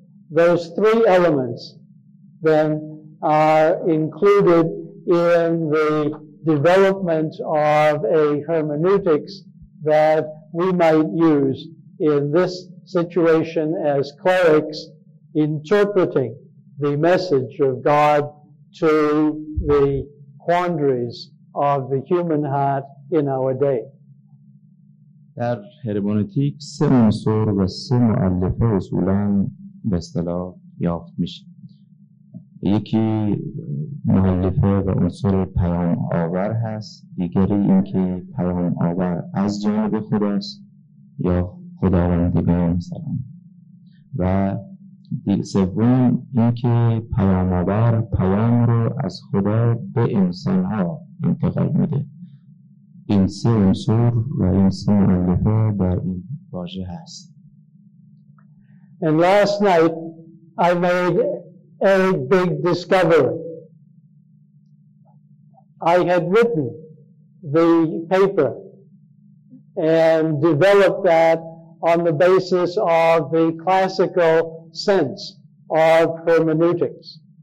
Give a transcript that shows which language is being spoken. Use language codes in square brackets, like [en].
[en] Those three elements then are included in the development of a hermeneutics that we might use in this situation as clerics interpreting the message of God to the quandaries of the human heart in our day. [fa] در هرمنوتیک سه عنصر و سه مؤلفه اصولاً به اصطلاح یافت میشه. یکی مؤلفه و عنصر پیام آور هست، دیگری اینکه پیام آور از جانب خداست یا خداوندگان مثلا، و سوم اینکه پیام‌آور پیام رو از خدا به انسان‌ها انتقال میده. این سه عنصر و این سه مؤلفه در این واژه هست. [en] And last night I made a big discovery. I had written the paper and developed that on the basis of the classical sense of hermeneutics.